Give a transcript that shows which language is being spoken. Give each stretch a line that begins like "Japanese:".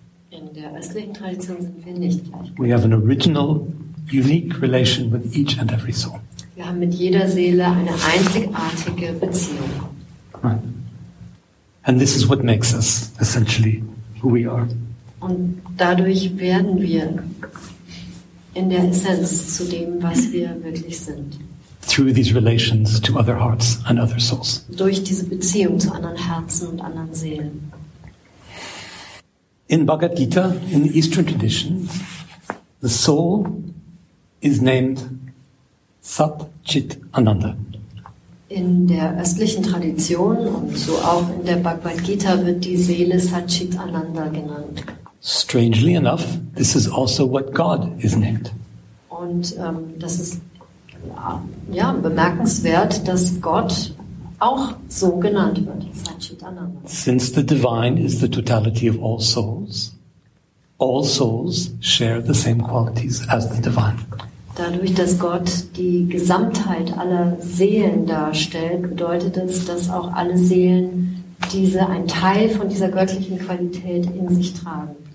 German: In der östlichen Tradition sind wir nicht gleichgültig.
English: We have an original, unique relation with each and every soul.
German: Wir haben mit jeder Seele eine einzigartige Beziehung.
English: And this is what makes us essentially who we are.
German: Und dadurch werden wir in der Essenz zu dem, was wir wirklich sind.
English: Through these relations to other hearts and other souls.
German: Durch diese Beziehung zu anderen Herzen und anderen Seelen.
English: In Bhagavad Gita, in the Eastern tradition, the soul is named Sat Chit Ananda.
German: In der östlichen Tradition und so auch in der Bhagavad Gita wird die Seele Sat Chit Ananda genannt.
English: Strangely enough, this is also what God is named.
German: Und das ist ja bemerkenswert, dass Gott auch so genannt wird, Sat Chit Ananda.
English: Since the divine is the totality of all souls share the same qualities as the divine.
German: Dadurch, dass Gott die Gesamtheit aller Seelen darstellt, bedeutet es, dass auch alle Seelen einen Teil von dieser göttlichen Qualität in sich tragen.